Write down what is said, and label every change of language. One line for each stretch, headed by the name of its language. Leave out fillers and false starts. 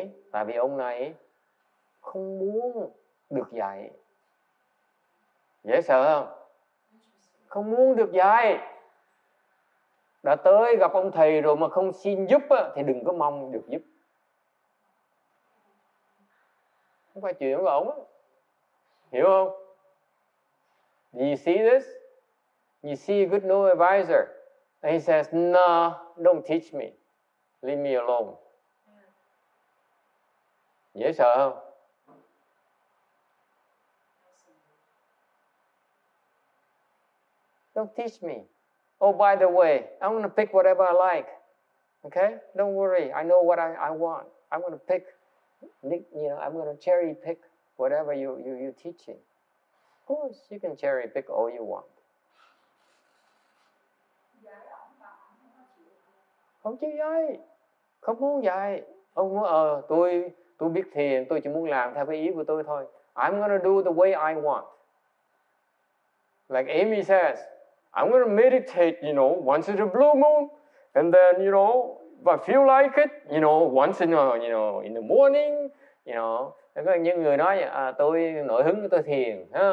Vietnamese: Tại vì ông này không muốn được dạy. Dễ sợ không? Không muốn được dạy. Đã tới gặp ông thầy rồi mà không xin giúp á, thì đừng có mong được giúp. Không phải chuyện của ông á. Hiểu không?
English: Do you see this? You see a good new advisor, and he says, "No, don't teach me. Leave me alone." Yeah.
Vietnamese: Dễ sợ không?
English: Don't teach me. Oh, by the way, I'm going to pick whatever I like. Okay? Don't worry. I know what I want. I'm going to pick, I'm going to cherry pick whatever you teach me. Of course, you can cherry pick all you want.
Vietnamese: Không chịu dạy, không muốn dạy. Ông muốn, tôi biết thiền, tôi chỉ muốn làm theo cái ý của tôi thôi.
English: I'm gonna do the way I want. Like Amy says, I'm gonna meditate, once in a blue moon, and then, if I feel like it, once in a, in the morning,
Vietnamese: Những người nói, tôi nổi hứng, tôi thiền.